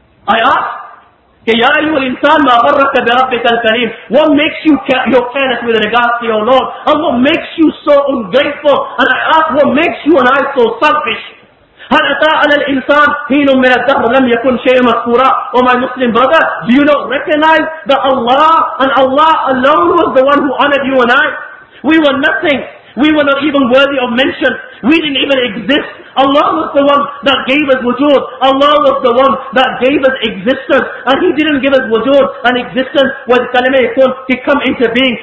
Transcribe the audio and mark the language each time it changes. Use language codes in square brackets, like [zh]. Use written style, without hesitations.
[en] I ask, [ar] يا أيها الإنسان ما غرك بربك الكريم. [en] What makes you your careless with regard to your Lord? And what makes you so ungrateful? And I ask, what makes you and I so selfish? [ar] هل أتى على الإنسان حين من الدهر لم يكن شيء مذكورا. [en] Oh my Muslim brother, do you not recognize that Allah and Allah alone was the one who honored you and I? We were nothing. We were not even worthy of mention. We didn't even exist. Allah was the one that gave us wujud. Allah was the one that gave us existence. And He didn't give us wujud and existence when kalima yakun, He come into being.